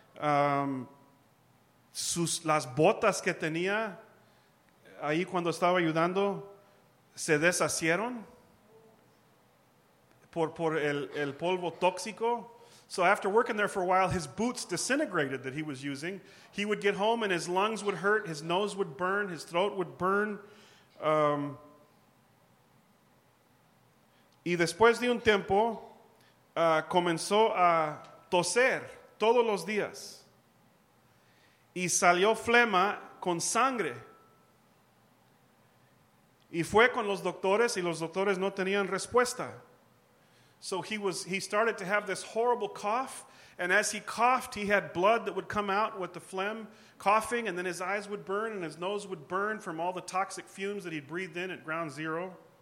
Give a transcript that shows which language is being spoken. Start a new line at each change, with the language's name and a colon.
Spanish: Las botas que tenía ahí cuando estaba ayudando se deshicieron por el polvo tóxico.
English: So after working there for a while, his boots disintegrated that he was using. He would get home and his lungs would hurt, his nose would burn, his throat would burn.
Spanish: Y después de un tiempo, comenzó a toser todos los días. Y salió flema con sangre. Y fue con los doctores y los doctores no tenían respuesta.
English: So he started to have this horrible cough. And as he coughed, he had blood that would come out with the phlegm coughing. And then his eyes would burn and his nose would burn from all the toxic fumes that he'd breathed in at Ground Zero.